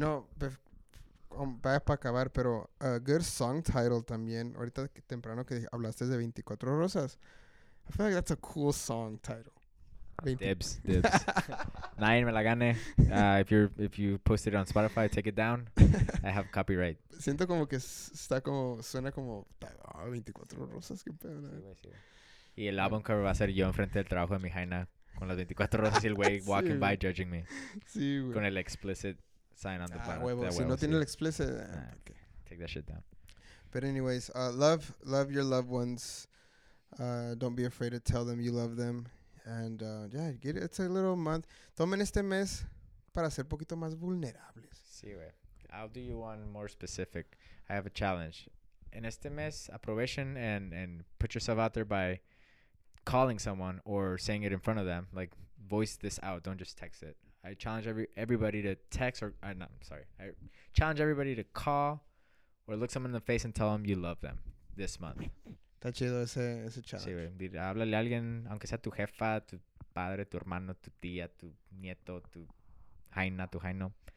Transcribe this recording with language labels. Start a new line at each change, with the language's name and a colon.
English: You know,
Spanish: vaya para acabar, pero
English: a good song title
Spanish: también. Ahorita temprano que hablaste de 24 Rosas.
English: I feel like that's a cool song title.
Spanish: Dibs. Nadie me la gane.
English: If you post it on Spotify, take it down. I have copyright.
Spanish: Siento como que está como, suena como, oh, 24 rosas, qué pedo. Sí, y el álbum cover va a ser yo enfrente del trabajo de mi jaina con las 24 rosas y el güey
English: walking by judging me.
Spanish: Sí, güey. Con el
English: explicit sign on the
Spanish: bottom. Si no tiene el explicit, okay.
English: Take that shit down. But anyways, love your loved ones. Don't be afraid to tell them you love them. And it's a little month.
Spanish: Tomen este mes para ser poquito más vulnerables.
English: Sí, güey. I'll do you one more specific. I have a challenge.
Spanish: En este mes, aprovechen
English: and put yourself out there by calling someone or saying it in front of them. Like, voice this out. Don't just text it. I challenge everybody to text or... no, I'm sorry. I challenge everybody to call or look someone in the face and tell them you love them this month.
Spanish: Está chido ese challenge. Sí, güey. Háblale a alguien, aunque sea tu jefa, tu padre, tu hermano, tu tía, tu nieto, tu jaina, tu jaino.